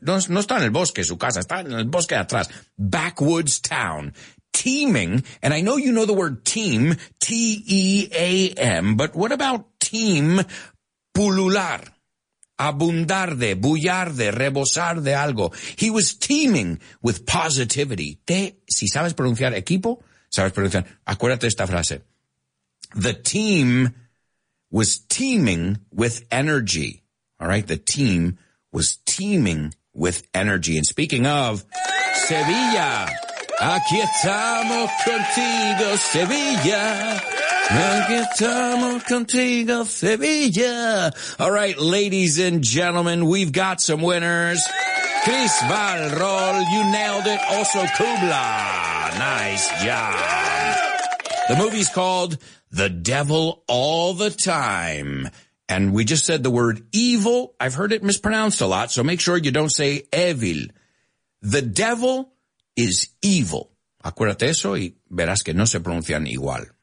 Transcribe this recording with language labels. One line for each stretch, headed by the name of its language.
Spanish: No está en el bosque, su casa, está en el bosque de atrás.
English: Backwoods town. Teaming, and I know you know the word team, T-E-A-M, but what about team pulular?
Spanish: Abundar de, bullar de, rebosar de algo.
English: He was teeming with positivity.
Spanish: Te, si sabes pronunciar equipo, sabes pronunciar. Acuérdate esta frase.
English: The team was teeming with energy. All right, the team was teeming with energy. And speaking of
Spanish: Sevilla, aquí estamos contigo, Sevilla. Aquí estamos contigo, Sevilla.
English: All right, ladies and gentlemen, we've got some winners. Chris Valrol, you nailed it. Also, Kubla, nice job. The movie's called The Devil All the Time. And we just said the word evil. I've heard it mispronounced a lot, so make sure you don't say evil. The devil is evil.
Spanish: Acuérdate eso y verás que no se pronuncian igual.